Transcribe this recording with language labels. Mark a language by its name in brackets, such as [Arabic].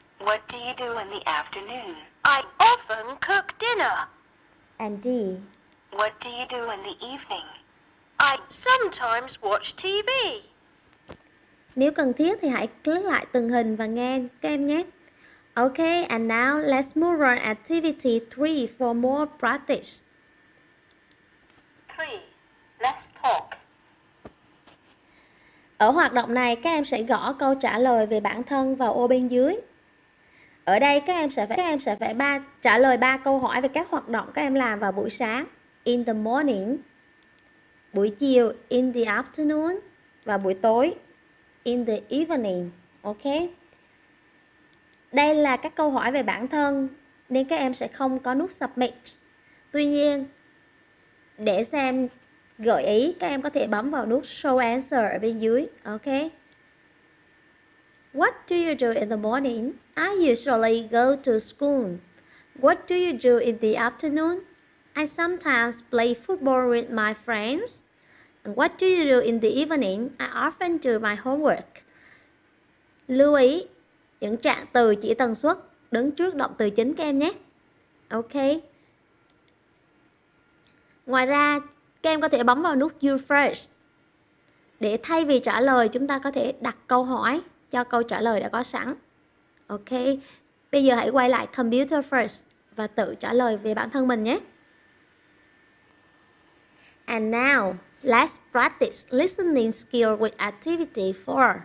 [English] What do you do in the afternoon? I often cook dinner. And D. What do you do in the evening? I sometimes watch TV. [Vietnamese] Nếu cần thiết thì hãy click lại từng hình và nghe các em nhé. [English] Ok, and now let's move on activity 3 for more practice. 3. Let's talk. [Vietnamese] Ở hoạt động này, các em sẽ gõ câu trả lời về bản thân vào ô bên dưới. Ở đây, các em sẽ phải trả lời 3 câu hỏi về các hoạt động các em làm vào buổi sáng. [English] In the morning. [Vietnamese] Buổi chiều. [English] In the afternoon. [Vietnamese] Và buổi tối. [English] In the evening. Ok. [Vietnamese] Đây là các câu hỏi về bản thân nên các em sẽ không có nút submit. Tuy nhiên, để xem gợi ý, các em có thể bấm vào nút show answer ở bên dưới. [English] Ok. What do you do in the morning? I usually go to school. What do you do in the afternoon? I sometimes play football with my friends. And what do you do in the evening? I often do my homework. [Vietnamese] Lưu ý những trạng từ chỉ tần suất đứng trước động từ chính các em nhé. Ok. Ngoài ra, các em có thể bấm vào nút refresh để thay vì trả lời, chúng ta có thể đặt câu hỏi cho câu trả lời đã có sẵn. Ok. Bây giờ hãy quay lại computer first và tự trả lời về bản thân mình nhé. [English] And now, let's practice listening skill with activity 4.